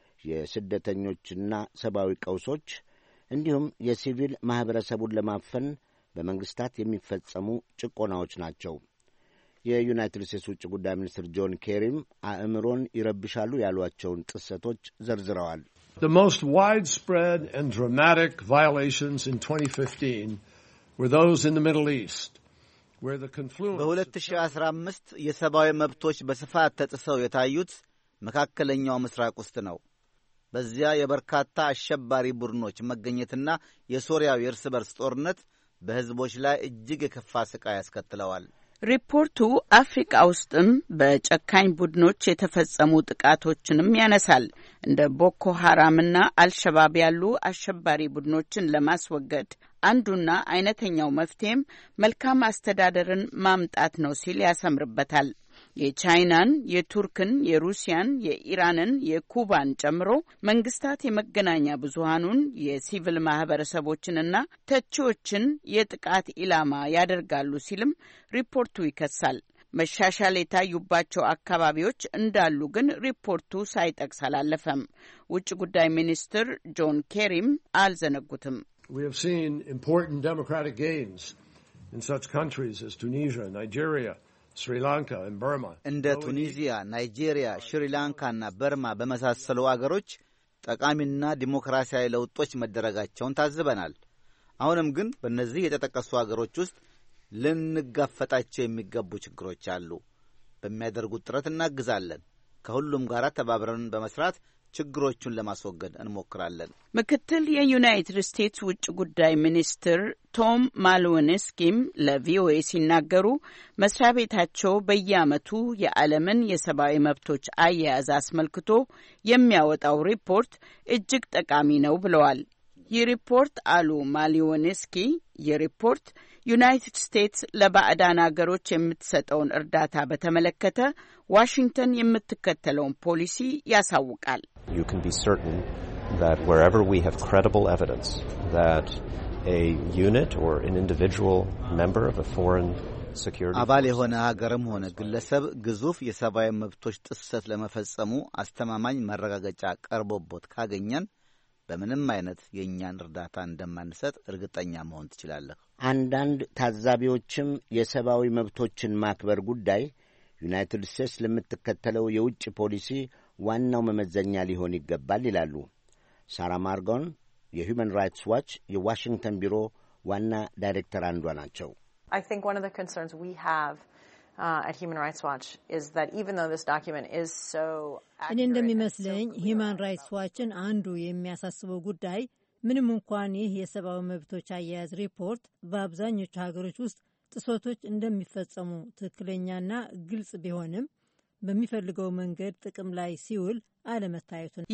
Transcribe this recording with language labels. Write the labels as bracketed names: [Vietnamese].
[Amharic] የስደተኞችና ሰብአዊ ቀውሶች፣ እንዲሁም የሲቪል ማኅበረሰቡን ለማፈን በመንግሥታት የሚፈጸሙ ጭቆናዎች ናቸው። የዩናይትድ ስቴትስ ውጭ ጉዳይ ሚኒስትር ጆን ኬሪም አእምሮን ይረብሻሉ ያሏቸውን ጥሰቶች ዘርዝረዋል። [English] The most widespread and dramatic violations in 2015 were those in the Middle East. [Amharic] በ2015 የሰብአዊ መብቶች በስፋት ተጥሰው የታዩት መካከለኛው ምስራቅ ውስጥ ነው። በዚያ የበርካታ አሸባሪ ቡድኖች መገኘትና የሶሪያው የእርስ በርስ ጦርነት በሕዝቦች ላይ እጅግ የከፋ ስቃይ ያስከትለዋል። ሪፖርቱ አፍሪካ ውስጥም በጨካኝ ቡድኖች የተፈጸሙ ጥቃቶችንም ያነሳል። እንደ ቦኮ ሐራምና አልሸባብ ያሉ አሸባሪ ቡድኖችን ለማስወገድ አንዱና አይነተኛው መፍትሄም መልካም አስተዳደርን ማምጣት ነው ሲል ያሰምርበታል። የቻይናን፣ የቱርክን፣ የሩሲያን፣ የኢራንን፣ የኩባን ጨምሮ መንግስታት የመገናኛ ብዙሃኑን፣ የሲቪል ማህበረሰቦችንና ተቺዎችን የጥቃት ኢላማ ያደርጋሉ ሲልም ሪፖርቱ ይከሳል። መሻሻል የታዩባቸው አካባቢዎች እንዳሉ ግን ሪፖርቱ ሳይጠቅስ አላለፈም። ውጭ ጉዳይ ሚኒስትር ጆን ኬሪም አልዘነጉትም። [English] We have seen important democratic gains in such countries as Tunisia, Nigeria, Sri Lanka, and Burma. [Amharic] እንደ ቱኒዚያ፣ ናይጄሪያ፣ ሽሪላንካና በርማ በመሳሰሉ አገሮች ጠቃሚና ዲሞክራሲያዊ ለውጦች መደረጋቸውን ታዝበናል። አሁንም ግን በእነዚህ የተጠቀሱ አገሮች ውስጥ ልንጋፈጣቸው የሚገቡ ችግሮች አሉ። በሚያደርጉት ጥረት እናግዛለን። ከሁሉም ጋር ተባብረን በመስራት ችግሮቹን ለማስወገድ እንሞክራለን። ምክትል የዩናይትድ ስቴትስ ውጭ ጉዳይ ሚኒስትር ቶም ማልዌንስኪም ለቪኦኤ ሲናገሩ መስሪያ ቤታቸው በየአመቱ የዓለምን የሰብአዊ መብቶች አያያዝ አስመልክቶ የሚያወጣው ሪፖርት እጅግ ጠቃሚ ነው ብለዋል። የሪፖርት አሉ ማሊዮኔስኪ የሪፖርት ዩናይትድ ስቴትስ ለባዕዳን አገሮች የምትሰጠውን እርዳታ በተመለከተ ዋሽንግተን የምትከተለውን ፖሊሲ ያሳውቃል። [English] You can be certain that wherever we have credible evidence that a unit or an individual member of a foreign security [Amharic] አባል የሆነ ሀገርም ሆነ ግለሰብ ግዙፍ የሰብአዊ መብቶች ጥሰት ለመፈጸሙ አስተማማኝ መረጋገጫ ቀርቦበት ካገኘን በምንም አይነት የኛን እርዳታ እንደማንሰጥ እርግጠኛ መሆን ትችላለህ። አንዳንድ ታዛቢዎችም የሰብአዊ መብቶችን ማክበር ጉዳይ ዩናይትድ ስቴትስ ለምትከተለው የውጭ ፖሊሲ ዋናው መመዘኛ ሊሆን ይገባል ይላሉ። ሳራ ማርጎን የሂዩማን ራይትስ ዋች የዋሽንግተን ቢሮ ዋና ዳይሬክተር አንዷ ናቸው። [English] I think one of the concerns we have at Human Rights Watch is that even though this document is so accurate and [Amharic] እንደሚመስለኝ Human Rights Watchን አንዱ የሚያሳስበው ጉዳይ ምንም እንኳን ይህ የሰብአዊ መብቶች አያያዝ ሪፖርት በአብዛኞቹ ሀገሮች ውስጥ ጥሰቶች እንደሚፈጸሙ ትክክለኛና ግልጽ ቢሆንም በሚፈልገው መንገድ ጥቅም ላይ ሲውል አለመታየቱ ነው።